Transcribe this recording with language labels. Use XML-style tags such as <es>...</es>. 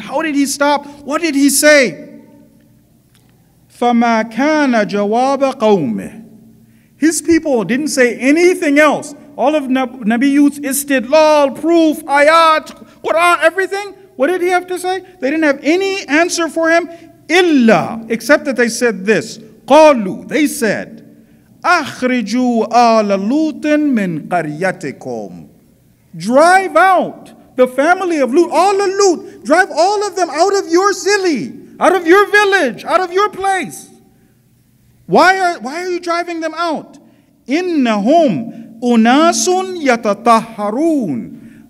<en>How did he stop? What did he say?</en> <ar>فَمَا كَانَ جَوَابَ قَوْمِهِ.</ar> <en>His people didn't say anything else. All of Nabi Lut's istidlal, proof, ayat, Quran, everything. What did he have to say? They didn't have any answer for him. Illa, except that they said this.</en> <ar>Qalu,</ar> <en>they said,</en> <ar>أَخْرِجُوا آلَ لُوتٍ مِنْ قَرْيَتِكُمْ.</ar> <en>Drive out the family of Lut, all of Lut. Drive all of them out of your city, out of your village, out of your place. Why are you driving them out?</en> <ar>إِنَّهُمْ أُنَاسٌ يَتَطَهَّرُونَ.</ar>